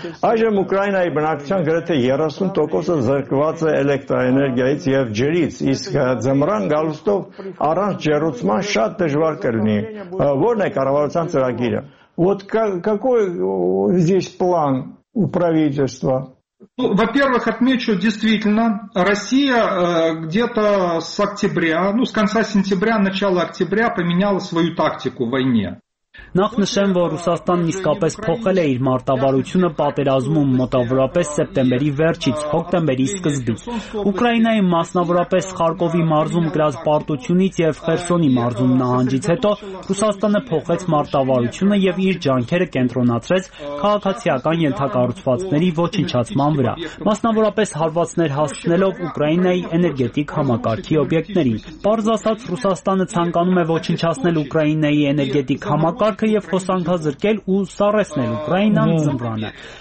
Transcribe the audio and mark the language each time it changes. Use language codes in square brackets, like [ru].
[hy] Այժմ Ուկրաինայի բնակչության գրեթե 30% զրկված է էլեկտրաէներգիայից և ջրից, իսկ ձմռան գալուստով առանց ջերուցման շատ դժվար կլինի։ Որն է կառավարության ծրագիրը, [ru] у правительства? Ну, во-первых, отмечу, действительно, Россия где-то с октября, ну, с конца сентября, начала октября поменяла свою тактику в войне. [hy] Նախ նշեմ, որ Ռուսաստանն իսկապես փոխել է իր մարտավարությունը պատերազմում մոտավորապես սեպտեմբերի վերջից հոկտեմբերի սկզբից։ Ուկրաինայի մասնավորապես Խարկովի մարզում գրած պարտությունից և Խերսոնի մարզում նահանջից հետո Ռուսաստանը փոխեց մարտավարությունը և իր ջանքերը կենտրոնացրեց քաղաքացիական ենթակառուցվածքների ոչնչացման վրա, մասնավորապես հարվածներ հասցնելով Ուկրաինայի էներգետիկ համակարգի օբյեկտներին։ Պարզ ասած, Ռուսաստանը ցանկանում է ոչնչացնել Ուկրաինայի էներգետիկ համակարգը և խոսանքազրկել ու սառեցնել Ուկրաինան ձմռանը։